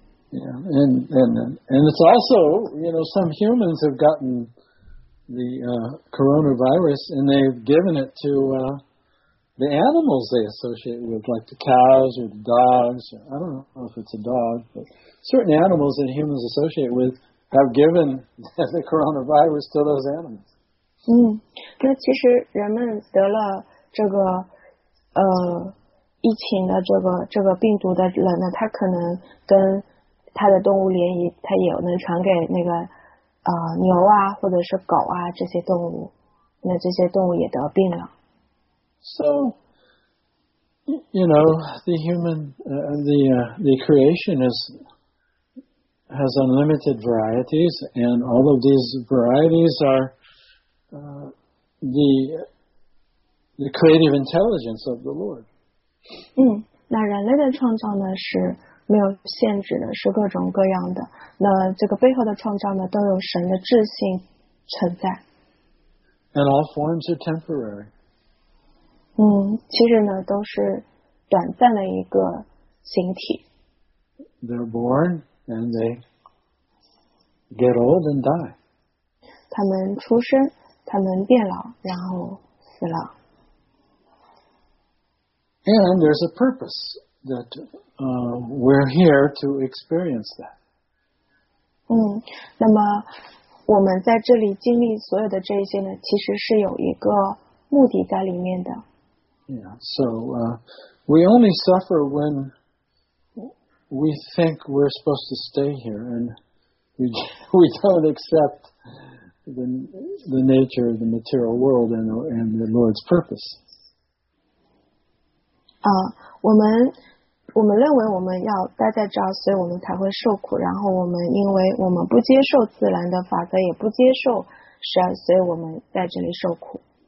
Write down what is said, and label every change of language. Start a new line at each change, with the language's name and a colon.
English: Yeah, and it's also, you know, some humans have gotten the coronavirus and they've given it to the animals they associate with, like the cows or the dogs. Or, I don't know if it's a dog, but certain animals that humans associate with have given the coronavirus to those animals.
Chinese: 那其实人们得了这个疫情的这个病毒的人呢，他可能跟他的动物联谊，他也能传给那个牛啊，或者是狗啊这些动物，那这些动物也得病了。
English: So, you know, the human, the creation has unlimited varieties, and all of these varieties are the creative intelligence of the Lord.
Chinese: 那人类的创造呢是没有限制的，是各种各样的。那这个背后的创造呢，都有神的智性存在。
English: And all forms are temporary.
Chinese: 其实呢都是短暂的一个形体。
English: They're born and they get old and die.
Chinese: 他们出生，他们变老，然后死了。
English: And there's a purpose that we're here to experience that.
Chinese: 那么我们在这里经历所有的这些呢，其实是有一个目的在里面的。
English: Yeah, so we only suffer when we think we're supposed to stay here and we don't accept the nature of the material world and the Lord's purpose.
Chinese: 我们认为我们要待在这儿，所以我们才会受苦。然后我们因为我们不接受自然的法则，也不接受神，所以我们在这里受苦。